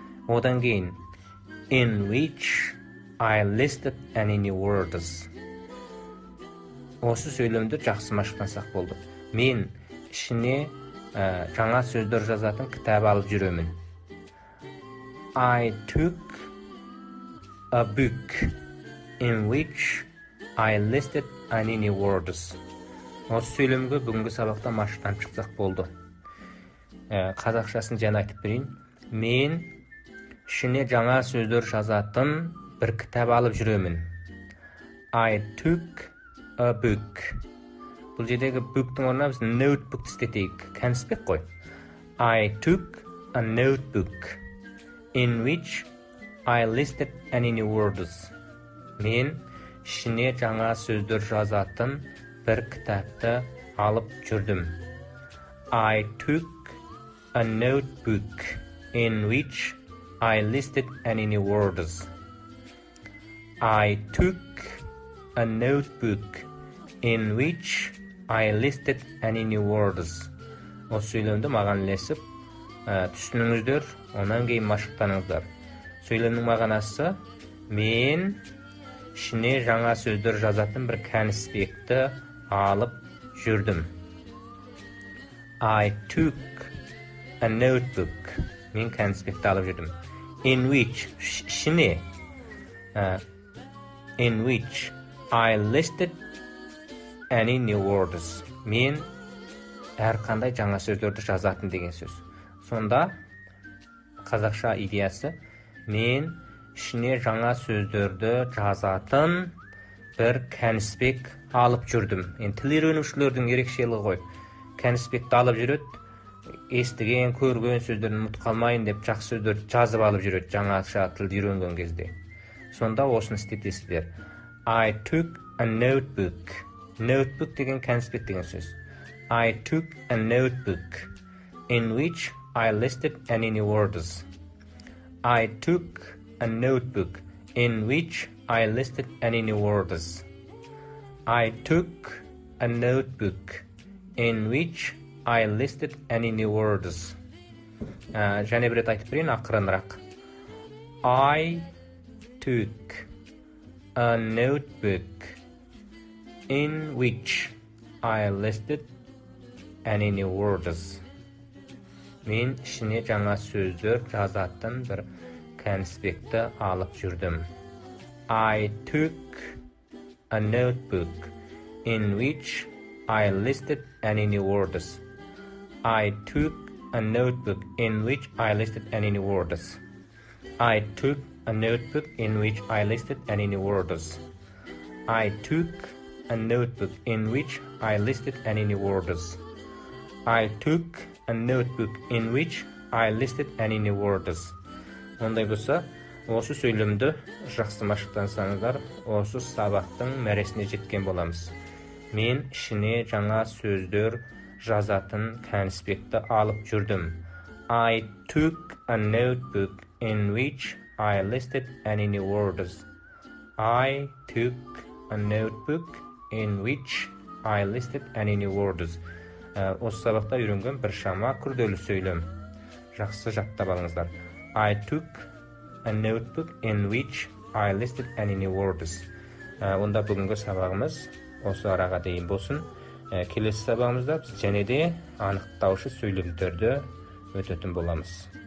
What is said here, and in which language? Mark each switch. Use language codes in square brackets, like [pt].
[kk] Одан кейін [en] in which I listed any words. [kk] Осы сөйлемді жақсы машықтансақ болды. Мен ішіне жаңа сөздер жазатын кітап алып жүремін. [en] I took a book in which I listed any words. [kk] Осы сөйлемге бүгінгі сабақта машықтанып шықсақ болды. Қазақшасын жаңа айтып берейін. Мен ішіне жаңа сөздер жазатын бір кітап алып жүремін. [en] I took a book. [kk] Бұл жердегі book-тың орнына біз notebook-ті істетейік. Кәнспек қой. [en] I took a notebook in which I listed any words. [kk] Мен ішіне жаңа сөздер жазатын бір кітапты алып жүрдім. [en] I took a notebook in which I listed any words. I took a notebook in which I listed any words. [kk] Осы сөйлемді маған лесіп, түсініңіздер, онан кейін машықтаныңыздар. Сөйлемнің мағынасы, мен ішіне жаңа сөздер жазатын бір кәнспекті алып жүрдім. [en] I took a notebook. [kk] Мен кәнспекті алып жүрдім. [en] In which, ішіне, in which I listed any new words. [kk] Мен әрқандай жаңа сөздерді жазатын деген сөз. Сонда қазақша идеясы, мен ішіне жаңа сөздерді жазатын бір кәнспек алып жүрдім. Енді тіл үйренушілердің ерекшелігі ғой. Кәнспекті алып жүреді, естіген, көрген сөздерін ұмытып қалмайын деп жақсы сөздерді жазып алып жүреді жаңаша тілді үйренген кезде. Сонда осыны істетесіздер. [en] I took a notebook. [kk] Notebook деген кәнспек деген сөз. [en] I took a notebook in which I listed any words. I took a notebook in which I listed any words. I took a notebook in which I listed any words. [kk] Және бір рет айтып берейін ақырынырақ. [en] I took a notebook in which I listed any words. [kk] Мен ішіне жаңа сөздер жазатын бір конспектті алып жүрдім. [en] I took a notebook in which I listed any words. I took a notebook in which I listed any words. I took a notebook in which I listed any new words. I took a notebook in which I listed any new words. I took a notebook in which I listed any new words. [kk] Ондай болса, осы сөйлемді жақсы машықтансаңыздар, осы сабақтың мәресіне жеткен боламыз. Мен ішіне жаңа сөздер жазатын конспектті алып жүрдім. [en] I took a notebook in which I listed any new words. I took a notebook in which I listed any new words. [kk] Осы сабақта үйренген бір шама күрделі сөйлем. Жақсы жаттап алыңыздар. [en] I took a notebook in which I listed any new words. [kk] Онда бүгінгі сабағымыз осы араға дейін болсын. Келесі сабағымызда біз және де анықтаушы сөйлемдерді өтетін боламыз.